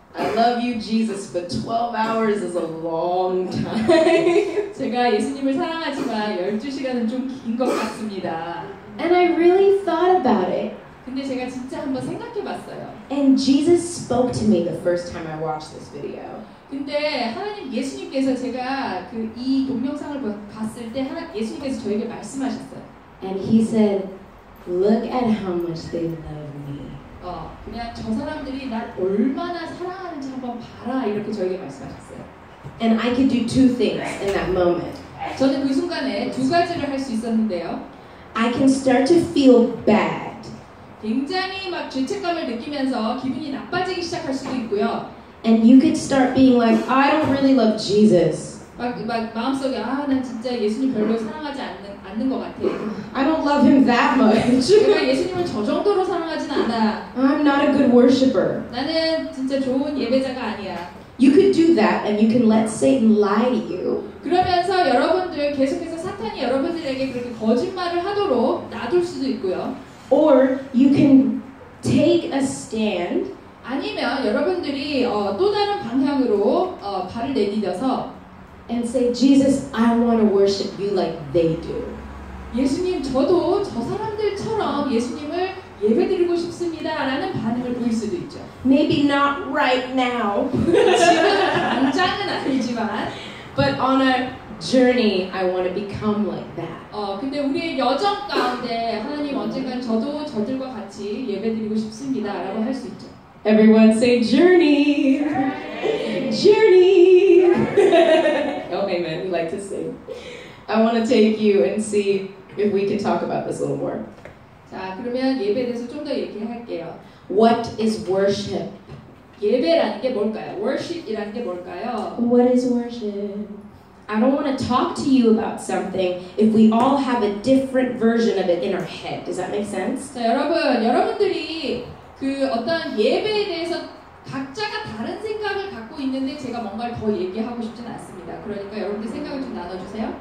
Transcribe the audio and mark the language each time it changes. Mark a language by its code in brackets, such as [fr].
[en] I love you, Jesus, but 12 hours is a long time. [ko] 제가 예수님을 사랑하지만 12시간은 좀 긴 것 같습니다. [en] And I really thought about it. [ko] 근데 제가 진짜 한번 생각해 봤어요. [en] And Jesus spoke to me the first time I watched this video. [ko] 근데 하나님 예수님께서 제가 그 이 동영상을 봤을 때 하나님 예수님께서 저에게 말씀하셨어요. [en] And he said, "Look at how much they love me." [ko] 그냥 저 사람들이 날 얼마나 사랑하는지 한번 봐라 이렇게 저에게 말씀하셨어요. [en] And I could do two things in that moment. [ko] 저는 그 순간에 두 가지를 할 수 있었는데요. [en] I can start to feel bad. [ko] 굉장히 막 죄책감을 느끼면서 기분이 나빠지기 시작할 수도 있고요. [en] And you could start being like, I don't really love Jesus. [ko] 막 마음속에 아, 난 진짜 예수님 별로 사랑하지 않는 것 같아. [en] I don't love him that much. [ko] 내가 예수님을 저 정도로 사랑하진 않아. [en] I'm not a good worshiper. [ko] 나는 진짜 좋은 예배자가 아니야. [en] You could do that and you can let Satan lie to you. [ko] 그러면서 여러분들 계속해서 사탄이 여러분들에게 그렇게 거짓말을 하도록 놔둘 수도 있고요. [en] Or you can take a stand. [ko] 아니면 여러분들이 또 다른 방향으로 발을 내딛어서 [en] and say, "Jesus, I want to worship you like they do." [ko] 예수님, 저도 저 사람들처럼 예수님을 예배드리고 싶습니다라는 반응을 보일 수도 있죠. [en] Maybe not right now. [ko] 지금 당장은 아니지만, [en] but on a journey, I want to become like that. [ko] 근데 우리의 여정 가운데 하나님 언젠간 저도 저들과 같이 예배드리고 싶습니다라고 할 수 있죠. [en] Everyone say journey. Journey. Okay, man, we like to sing. I want to take you and see if we can talk about this a little more. [ko] 자, 그러면 예배에 대해서 좀 더 얘기할게요. [en] What is worship? [ko] 예배라는 게 뭘까요? Worship이라는 게 뭘까요? [en] What is worship? I don't want to talk to you about something if we all have a different version of it in our head. Does that make sense? [ko] 자, 여러분, 여러분들이 그 어떤 예배에 대해서 각자가 다른 생각을 갖고 있는데 제가 뭔가를 더 얘기하고 싶지는 않습니다. 그러니까 여러분들 생각을 좀 나눠주세요.